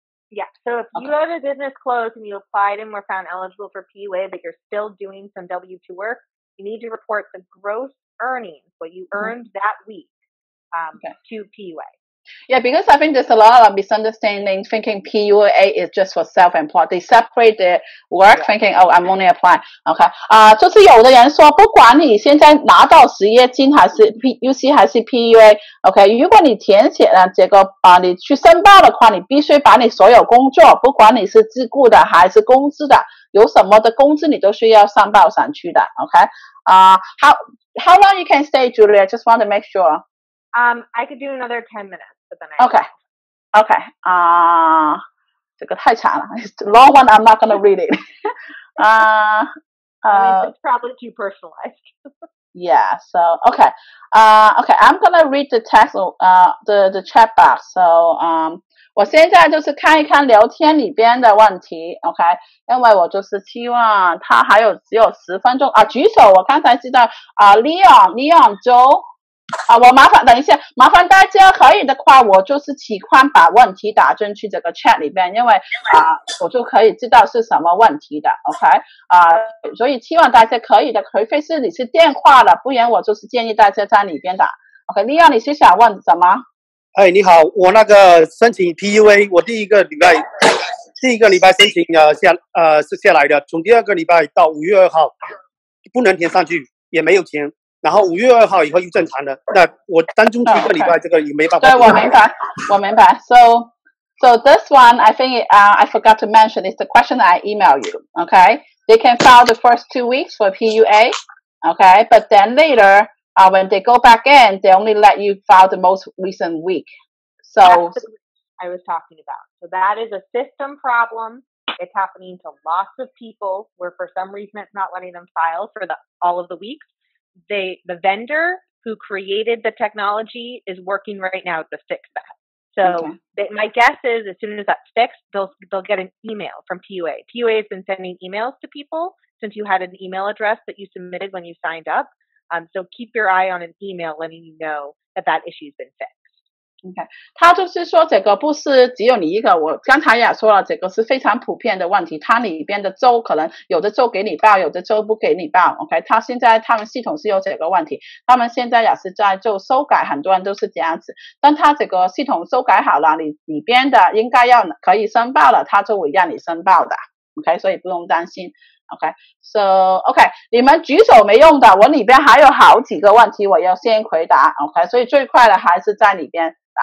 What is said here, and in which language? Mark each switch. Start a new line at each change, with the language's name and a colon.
English: Yeah, so if you have a business closed and you applied and were found eligible for PUA, but you're still doing some W-2 work, you need to report the gross earnings, what you earned that week, to PUA. Yeah, because I think there's a lot of misunderstanding thinking PUA is just for self-employed. They separate their work, thinking, oh, I'm only applying. Okay.
Chinese: 就是有的人说，不管你现在拿到失业金还是 PUC 还是 PUA, okay, 如果你填写了这个，你去申报的话，你必须把你所有工作，不管你是自雇的还是公司的，有什么的工资你都需要申报上去的。
English: Okay. How long you can stay, Julia? Just want to make sure. I could do another 10 minutes.
Chinese: Okay. 这个太长了。
English: It's a long one, I'm not going to read it. It's probably too personalized. Yeah, so, okay. Okay, I'm going to read the text, the chat box.
Chinese: So, 我现在就是看一看聊天里边的问题 ,okay? 因为我就是希望他还有只有十分钟。举手，我刚才知道Leon 周。我麻烦等一下，麻烦大家可以的话，我就是喜欢把问题打进去这个 chat 里边，因为我就可以知道是什么问题的 ，OK 所以希望大家可以的，除非是你是电话的，不然我就是建议大家在里边打。 OK， 李阳，你是想问什么？哎，你好，我那个申请 PUA， 我第一个礼拜申请是下来的，从第二个礼拜到五月二号不能填上去，也没有填。然后五月二号以后又正常了，那我当中一个礼拜这个也没办法。对，我明白。
English: So this one, I think, I forgot to mention, is the question I email you. Okay, they can file the first 2 weeks for PUA. Okay, but then later, when they go back in, they only let you file the most recent week. So I was talking about. So that is a system problem. It's happening to lots of people where for some reason it's not letting them file for all of the weeks. The vendor who created the technology is working right now to fix that. So my guess is as soon as that's fixed, they'll get an email from PUA. PUA has been sending emails to people since you had an email address that you submitted when you signed up. So keep your eye on an email letting you know that issue's been fixed. Okay.
Chinese: 他就是说这个不是只有你一个，我刚才也说了这个是非常普遍的问题，他里边的州可能有的州给你报，有的州不给你报 ,OK, 他现在他们系统是有这个问题，他们现在也是在就修改，很多人都是这样子，但他这个系统修改好了，你里边的应该要可以申报了，他就会让你申报的 ,OK, 所以不用担心 ,OK, so, OK, 你们举手没用的，我里边还有好几个问题我要先回答 ,OK, 所以最快的还是在里边。